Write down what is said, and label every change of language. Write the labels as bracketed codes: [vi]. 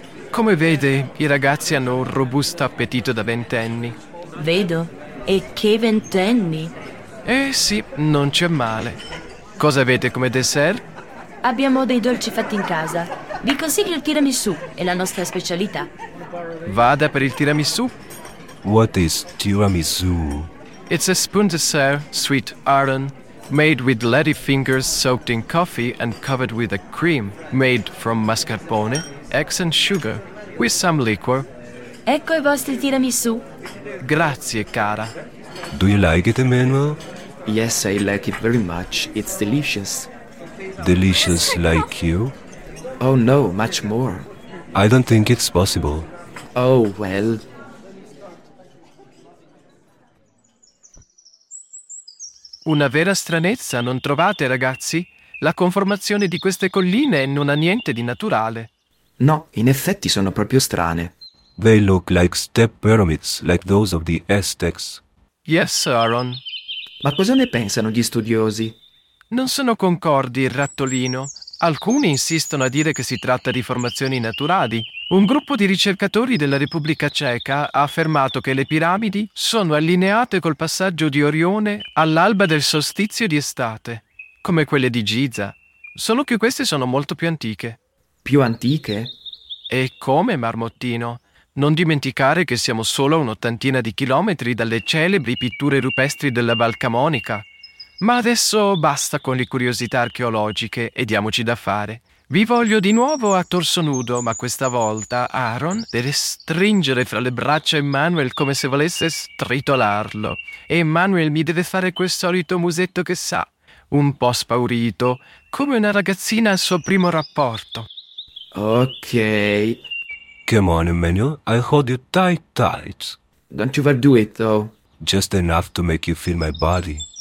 [it] Come vede, i ragazzi hanno un robusto appetito da ventenni. Vedo. E che ventenni? Eh sì, non c'è male. Cosa avete come dessert? Abbiamo dei dolci fatti in casa. Vi consiglio il tiramisù, è la nostra specialità. Vada per il tiramisù. [en] What is tiramisù? It's a spoon dessert, sweet Arden, made with lady fingers soaked in coffee and covered with a cream made from mascarpone, eggs and sugar, with some liquor. [it] Ecco i vostri tiramisù. Grazie, cara. [en] Do you like it, Emmanuel? Yes, I like it very much. It's delicious. Delicious like you? Oh no, much more. I don't think it's possible. Oh well. [it] Una vera stranezza, non trovate, ragazzi? La conformazione di queste colline non ha niente di naturale. No, in effetti sono proprio strane. [en] They look like step pyramids, like those of the Aztecs. Yes, Aaron. [it] Ma cosa ne pensano gli studiosi? Non sono concordi, il rattolino. Alcuni insistono a dire che si tratta di formazioni naturali. Un gruppo di ricercatori della Repubblica Ceca ha affermato che le piramidi sono allineate col passaggio di Orione all'alba del solstizio di estate, come quelle di Giza, solo che queste sono molto più antiche. Più antiche? E come, Marmottino? Non dimenticare che siamo solo a un'ottantina di chilometri dalle celebri pitture rupestri della Balcamonica. Ma adesso basta con le curiosità archeologiche e diamoci da fare. Vi voglio di nuovo a torso nudo, ma questa volta Aaron deve stringere fra le braccia Emmanuel come se volesse stritolarlo. E Emmanuel mi deve fare quel solito musetto che sa, un po' spaurito, come una ragazzina al suo primo rapporto. Ok. [en] Come on, Emmanuel, I'll hold you tight, tight. Don't you overdo it, though. Just enough to make you feel my body.